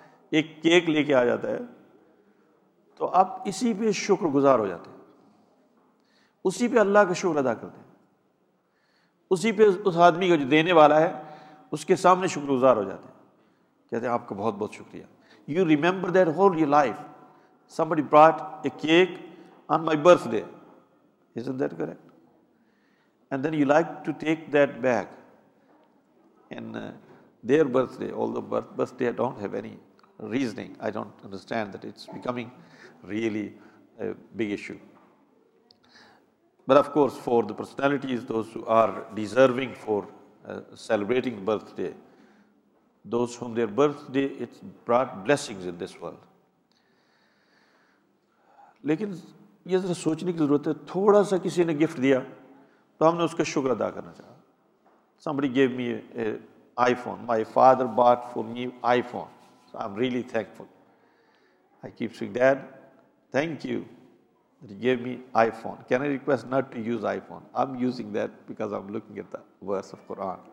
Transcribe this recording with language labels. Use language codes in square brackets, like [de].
[ur] ایک کیک لے کے آ جاتا ہے تو آپ اسی پہ شکر گزار ہو جاتے ہیں، اسی پہ اللہ کا شکر ادا کرتے ہیں، اسی پہ اس آدمی کا جو دینے والا ہے اس کے سامنے شکر گزار ہو جاتے ہیں، کہتے ہیں آپ کا بہت بہت شکریہ. [en] You remember that whole your life, somebody brought a cake on my birthday, isn't that correct? And then you like to take that back in their birthday, although birthday I don't have any reasoning, I don't understand that it's becoming really a big issue. But of course for the personalities, those who are deserving for celebrating birthday, those whom their birthday it's brought blessings in this world. [ur] Lekin یہ ذرا سوچنے کی ضرورت ہے، تھوڑا سا کسی نے گفٹ دیا تو ہم نے اس کا شکر ادا کرنا چاہا. [en] Somebody gave me a iPhone, my father bought for me iPhone, so I'm really thankful. I keep saying, Dad, thank you that you gave me iPhone. Can I request not to use iPhone? I'm using that because I'm looking at the verse of Quran.